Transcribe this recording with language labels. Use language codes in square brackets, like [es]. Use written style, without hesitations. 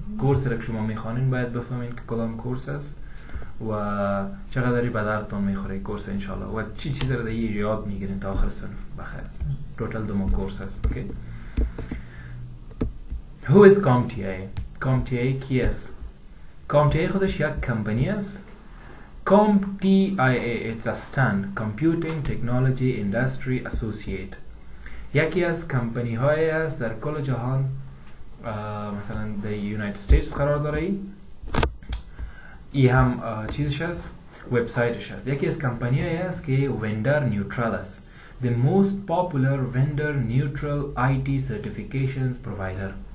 [fa] کورس را که شما میخوانین باید بفهمین که کدام کورس است و چقدری به دردتون میخوره کورس انشاءالله و چی چیز را در یه یاد میگیرین تا آخر صنف بخیر. Total دوم کورس است. [en] Okay. Who is CompTIA? [fa] CompTIA کی است؟ CompTIA خودش یک کمپانی است. [en] CompTIA it's a stand Computing Technology Industry Associate. [fa] یکی از کمپانی های است در کل جهان مثلا در United States قرار داره. ای هم چیزش است، وبسایتش است. یکی از کمپانی های است که Vendor Neutral است. [en] The most popular Vendor Neutral IT Certifications Provider.